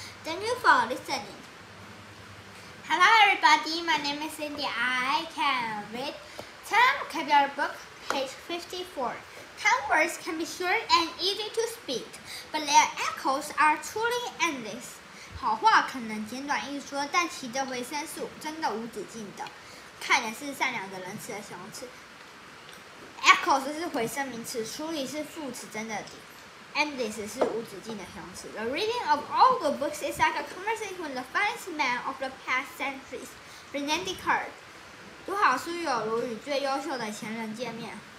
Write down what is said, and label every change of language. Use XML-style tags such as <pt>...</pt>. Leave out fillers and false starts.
<en>Thank you for listening. Hello, everybody. My name is Cindy. I can read 10 vocabulary book, page 54. Kind words can be short and easy to speak, but their echoes are truly endless.</en> <zh>好话可能简短易说，但其的回声是真的无止境的。 Kind 是善良的仁慈的形容词。Echoes 是回声名词，处理是副词，真的。 Endless 是无止境的形容词。</zh> <en>The reading of all the books is like a conversation with the finest man of the past centuries, Rene Descartes.</en> <zh>读好书有如与最优秀的前人见面。</zh>